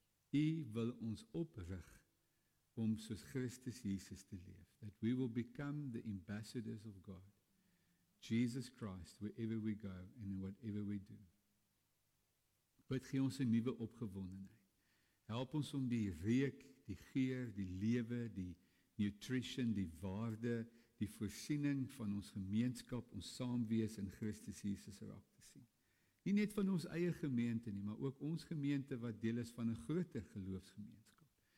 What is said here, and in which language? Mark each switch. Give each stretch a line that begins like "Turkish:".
Afrikaans: U wil ons oprig om soos Christus Jesus te leef,
English: that we will become the ambassadors of God, Jesus Christ, wherever we go and in whatever we do.
Afrikaans: Bid, gee ons 'n nuwe opgewondenheid. Help ons om die reuk, die geur, die lewe, die nutrition, die waarde, die voorsiening van ons gemeenskap, ons saamwees in Christus Jesus raak te sien. Nie net van ons eie gemeente nie, maar ook ons gemeente wat deel is van 'n groter geloofsgemeenskap.